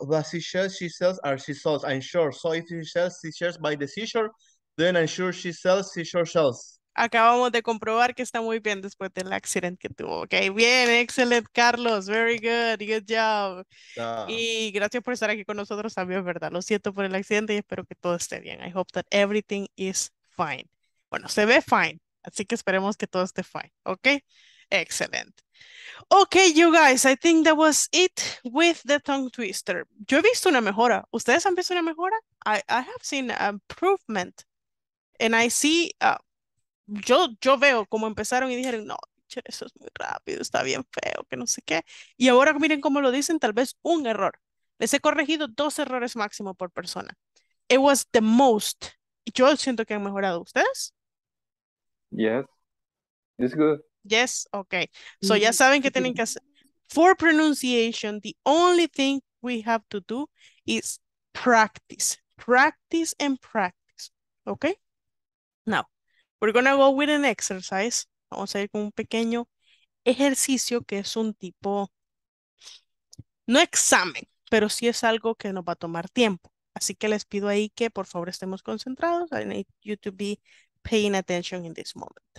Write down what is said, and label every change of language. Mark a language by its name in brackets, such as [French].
[English] The seashells she sells are seashells, I'm sure. So if she sells seashells by the seashore, then I'm sure she sells seashore shells. [Spanish] Acabamos de comprobar que está muy bien después del accidente que tuvo. Ok, bien, excelente, [English] Carlos. Very good, good job. [Spanish] Y gracias por estar aquí con nosotros también, ¿verdad? Lo siento por el accidente y espero que todo esté bien. [English] I hope that everything is fine. [Spanish] Bueno, se ve fine, así que esperemos que todo esté fine. Ok, excelente. [English] Ok, you guys, I think that was it with the tongue twister. [Spanish] Yo he visto una mejora. ¿Ustedes han visto una mejora? [English] I have seen improvement. And I see, [Spanish] yo veo cómo empezaron y dijeron, no, eso es muy rápido, está bien feo, que no sé qué. Y ahora miren cómo lo dicen, tal vez un error. Les he corregido dos errores máximo por persona. [English] It was the most. [Spanish] Yo siento que han mejorado. ¿Ustedes? [English] Yes. It's good. Yes, okay. So [Spanish] ya saben que tienen que hacer. [English] For pronunciation, the only thing we have to do is practice. Practice and practice. Okay? Now, we're going to go with an exercise. [Spanish] Vamos a ir con un pequeño ejercicio que es un tipo, no examen, pero sí es algo que nos va a tomar tiempo. Así que les pido ahí que por favor estemos concentrados. [English] I need you to be paying attention in this moment.